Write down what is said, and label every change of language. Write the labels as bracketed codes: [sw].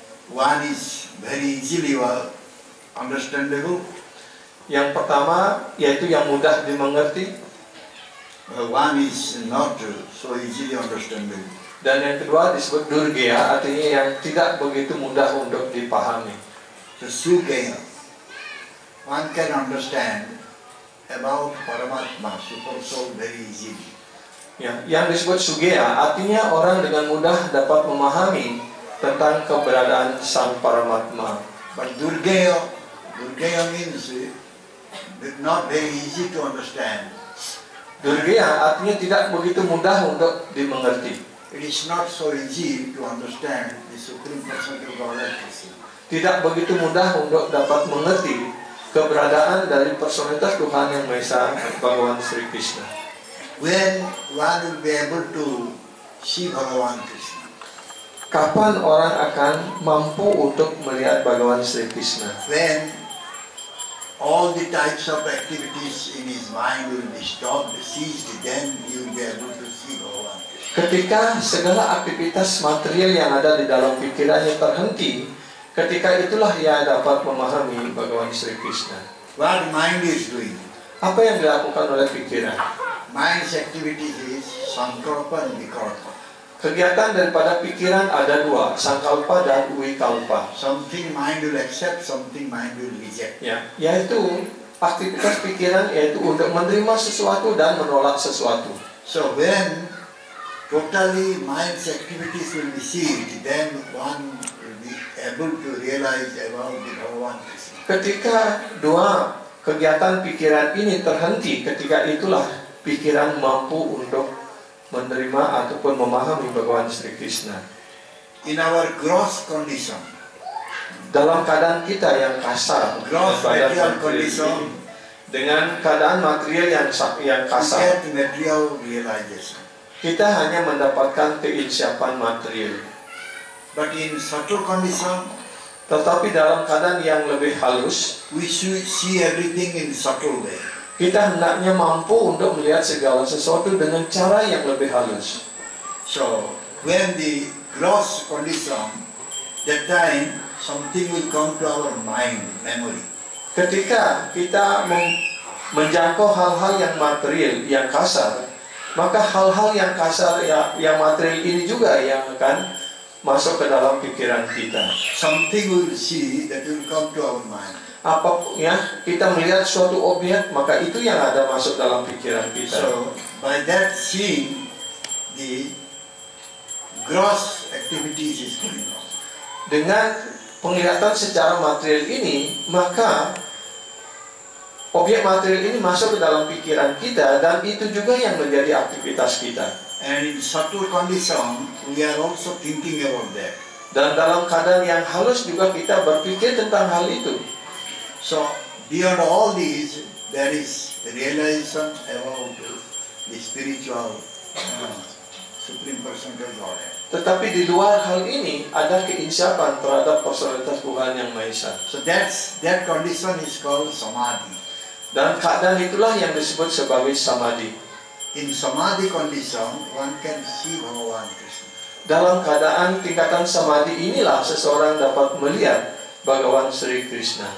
[en] One is very easily understandable. [id] Yang pertama yaitu yang mudah dimengerti. [en] One is not so easily understandable. [id] Dan yang kedua disebut durgeya, artinya yang tidak begitu mudah untuk dipahami. [en] The sugeya, one can understand about Paramatma, super soul, very easily. [id] Ya, yang disebut sugeya artinya orang dengan mudah dapat memahami tentang keberadaan sang Paramatma. [en] But durgeya means not very easy to understand. [id] Durgeya artinya tidak begitu mudah untuk dimengerti. [en] It is not so easy to understand the Supreme Personality of Godhead. [id] Tidak begitu mudah untuk dapat mengerti keberadaan dari personalitas Tuhan Yang Maha Esa, Bhagawan Sri Krishna. [en] When one will be able to see Bhagawan Krishna? [id] kapan orang akan mampu untuk melihat Bhagawan Sri Krishna? [en] When all the types of activities in his mind will be stopped, ceased, then he will be able to see Bhagawan. [id] Ketika segala aktivitas material yang ada di dalam pikirannya terhenti, ketika itulah ia dapat memahami Bhagawan Sri Krishna. [en] What mind is doing? [id] Apa yang dilakukan oleh pikiran? [en] Mind's activities is sankalpa and vikalpa. [id] Kegiatan daripada pikiran ada dua, sankalpa dan vikalpa. [en] Something mind will accept, something mind will reject. [id] Ya, yaitu aktivitas pikiran yaitu untuk menerima sesuatu dan menolak sesuatu. [en] So when totally mind's activities will be ceased, then one will be able to realize about the Bhagavan Krishna. [id] Ketika dua kegiatan pikiran ini terhenti, ketika itulah pikiran mampu untuk menerima ataupun memahami Bhagawan Sri Krishna. [en] In our gross condition, [id] dalam keadaan kita yang kasar, [en] gross material condition, [id] dengan keadaan material yang kasar, [en] get material realization. [id] Kita hanya mendapatkan keinsyapan material. [en] But in subtle condition, [id] tetapi dalam keadaan yang lebih halus, [en] we should see everything in subtle way. [id] Kita hendaknya mampu untuk melihat segala sesuatu dengan cara yang lebih halus. [en] So, when the gross condition, that time something will come to our mind, memory. [id] Ketika kita menjangkau hal-hal yang material, yang kasar, maka hal-hal yang kasar, yang material ini juga yang akan masuk ke dalam pikiran kita. [en] Something will see that will come to our mind. [id] Apa ya, kita melihat suatu objek, maka itu yang ada masuk dalam pikiran kita. [en] So by that seeing, the gross activities is coming off. [id] Dengan penglihatan secara material ini, maka objek material ini masuk ke dalam pikiran kita, dan itu juga yang menjadi aktivitas kita. [en] And in subtle condition, we are also thinking about that. [id] Dan dalam keadaan yang halus juga kita berpikir tentang hal itu. [en] So beyond all these, there is realization about the spiritual supreme person of God. [id] Tetapi di luar hal ini ada keinsyapan terhadap personalitas Tuhan yang Maha Esa. [en] So that condition is called samadhi. [id] Dan keadaan itulah yang disebut sebagai samadhi. [en] In samadhi condition, one can see Bhagavan Krishna. [id] Dalam keadaan tingkatan samadhi inilah seseorang dapat melihat Bhagawan Sri Krishna.